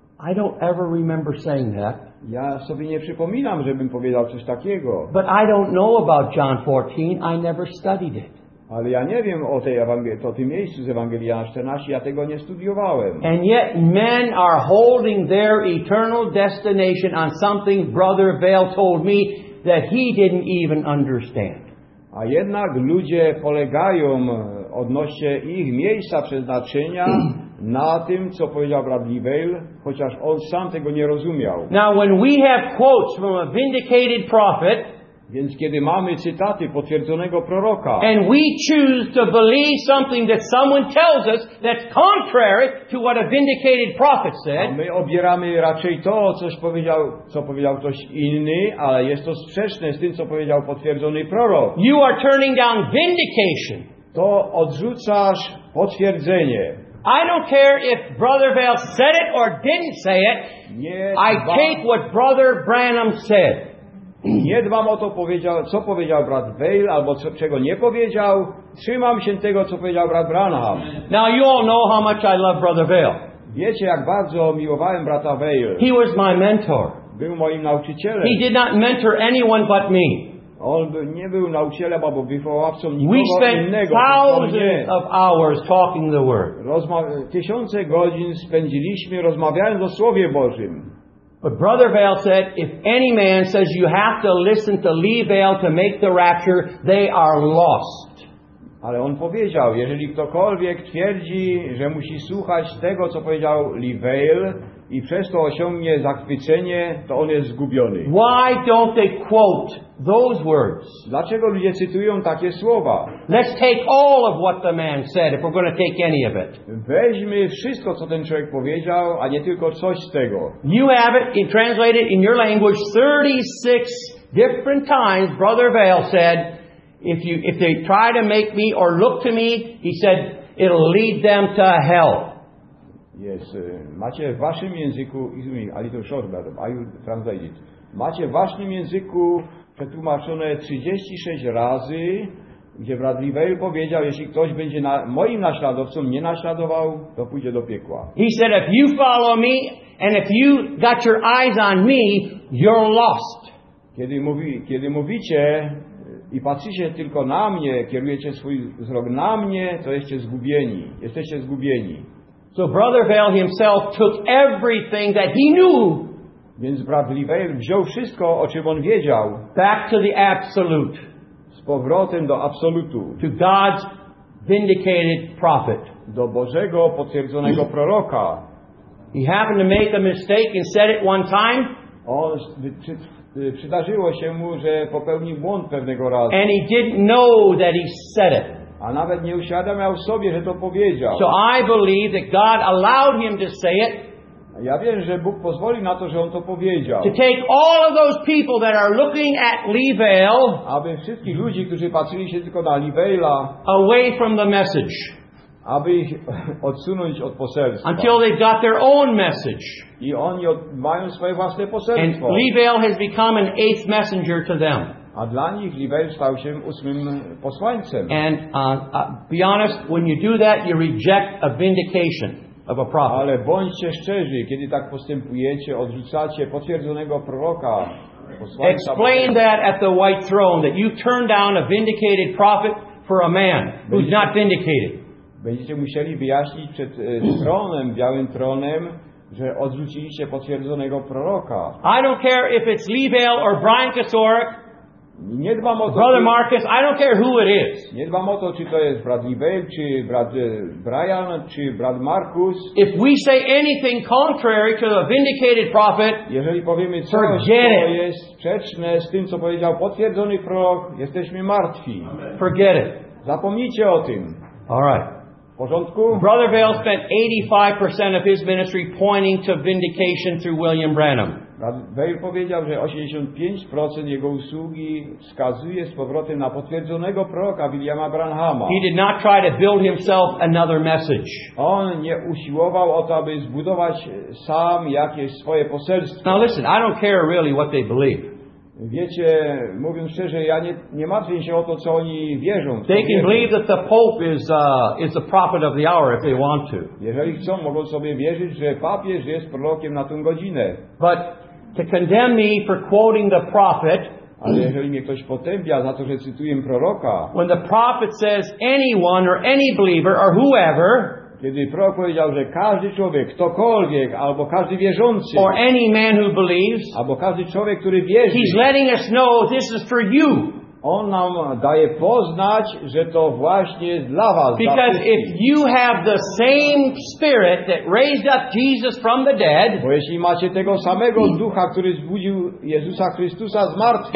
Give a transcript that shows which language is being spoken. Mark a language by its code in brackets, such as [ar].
[en] I don't ever remember saying that. [pl] Ja sobie nie przypominam, żebym powiedział coś takiego. [en] But I don't know about John 14. I never studied it. [pl] Ale ja nie wiem o tej Ewangelii, o tym miejscu z Ewangelii Jana 14, ja tego nie studiowałem. [en] And yet men are holding their eternal destination on something Brother Vail told me that he didn't even understand. [pl] A jednak ludzie polegają odnośnie ich miejsca przeznaczenia na tym, co powiedział brat Vail, chociaż on sam tego nie rozumiał. [en] Now when we have quotes from a vindicated prophet, [pl] więc kiedy mamy cytaty potwierdzonego proroka, [en] and we choose to believe something that someone tells us that's contrary to what a vindicated prophet said, [pl] a my obieramy raczej to, co powiedział ktoś inny, ale jest to sprzeczne z tym, co powiedział potwierdzony prorok. [en] You are turning down vindication. [pl] To odrzucasz potwierdzenie. [en] I don't care if Brother Vail said it or didn't say it. [pl] Nie, [en] I take what Brother Branham said. [pl] Nie dbam o to, co powiedział brat Vail, albo czego nie powiedział. Trzymam się tego, co powiedział brat Branham. [en] Now you all know how much I love Brother Vail. [pl] Wiecie, jak bardzo miłowałem brata Vail. [en] He was my mentor. [pl] Był moim nauczycielem. [en] He did not mentor anyone but me. [pl] On nie był nauczycielem, albo wychowawcą nikogo innego. [en] We spent thousands of hours talking the word. [pl] Tysiące godzin spędziliśmy rozmawiając o Słowie Bożym. [en] But Brother Vail said, if any man says you have to listen to Lee Vail to make the rapture, they are lost. [pl] Ale on powiedział, jeżeli ktokolwiek twierdzi, że musi słuchać tego, co powiedział Lee Vail, i przez to osiągnie zachwycenie, to on jest zgubiony. [en] Why don't they quote those words? [pl] Dlaczego ludzie cytują takie słowa? [en] Let's take all of what the man said, if we're going to take any of it. [pl] Weźmy wszystko, co ten człowiek powiedział, a nie tylko coś z tego. [en] You have it translated in your language 36 different times. Brother Vail said, if they try to make me or look to me, he said, it'll lead them to hell. Yes, [pl] macie w waszym języku, [en] izumi, a little short, brother, are you translated? [pl] Macie w waszym języku przetłumaczone 36 razy, gdzie brat Vail powiedział, jeśli ktoś będzie moim naśladowcą, nie naśladował, to pójdzie do piekła. [en] He said, if you follow me, and if you got your eyes on me, you're lost. [pl] Kiedy mówicie i patrzycie tylko na mnie, kierujecie swój wzrok na mnie, to jesteście zgubieni. [en] So Brother Vail himself took everything that he knew [pl] Więc brat Livail wziął wszystko, o czym on wiedział. [en] Back to the absolute. [pl] Z powrotem do absolutu. [en] To God's vindicated prophet. [pl] Do Bożego potwierdzonego proroka. [en] He happened to make a mistake and said it one time. [pl] On przydarzyło się mu, że popełnił błąd pewnego razu. [en] And he didn't know that he said it. [pl] A nawet nie uświadamiał sobie, że to powiedział. [en] So I believe that God allowed him to say it. [pl] Ja wiem, że Bóg pozwolił na to, że on to powiedział. [en] To take all of those people that are looking at Livail, [pl] aby wszystkich ludzi, którzy patrzyli się tylko na Livaila, [en] away from the message. [pl] Aby ich odsunąć od poselstwa. [en] Until they've got their own message. [pl] I oni mają swoje własne poselstwo. [en] And Livail has become an eighth messenger to them. [pl] A dla nich Livail stał się ósmym posłańcem. [en] And be honest, when you do that, you reject a vindication. [pl] Ale bądźcie szczerzy, kiedy tak postępujecie, odrzucacie potwierdzonego proroka. [en] Explain that at the White Throne that you turned down a vindicated prophet for a man who's not vindicated. [pl] Będziecie musieli wyjaśnić przed tronem, białym tronem, że odrzuciliście potwierdzonego proroka. [en] I don't care if it's Livail or Brian Kaczorek. [pl] Nie dbam o to, [en] brother Marcus, I don't care who it is. [pl] Nie dbam o to, czy to jest brat Livail, czy brat Brian, czy brat Marcus. [en] If we say anything contrary to the vindicated prophet, [pl] jeżeli powiemy coś, [en] forget [pl] co jest sprzeczne z tym, co powiedział potwierdzony prorok, jesteśmy martwi. [en] Forget it. [pl] Zapomnijcie o tym. [en] All right. [pl] W porządku? [en] Brother Vail spent 85% of his ministry pointing to vindication through William Branham. [pl] Weil powiedział, że 85% jego usługi wskazuje z powrotem na potwierdzonego proroka Williama Branhama. [en] He did not try to build himself another message. [pl] On nie usiłował o to, aby zbudować sam jakieś swoje poselstwo. [en] Now listen, I don't care really what they believe. [pl] Wiecie, mówiąc szczerze, ja nie martwię się o to, co oni wierzą. [en] They can believe that the Pope is the prophet of the hour if they want to. [pl] Jeżeli chcą, mogą sobie wierzyć, że papież jest prorokiem na tę godzinę. [en] But to condemn me for quoting the prophet. [pl] Ale jeżeli mnie ktoś potępia za to, że cytuję proroka. [en] When the prophet says anyone or any believer or whoever. [pl] Kiedy prorok powiedział, że każdy człowiek, ktokolwiek, albo każdy wierzący, [en] or any man who believes, [pl] albo każdy człowiek, który wierzy, [en] he's letting us know this is for you. [pl] On nam daje poznać, że to właśnie jest dla was. [en] Because if you have the same spirit that raised up Jesus from the dead, [pl] bo jeśli macie tego samego ducha, który zbudził Jezusa Chrystusa z martwych,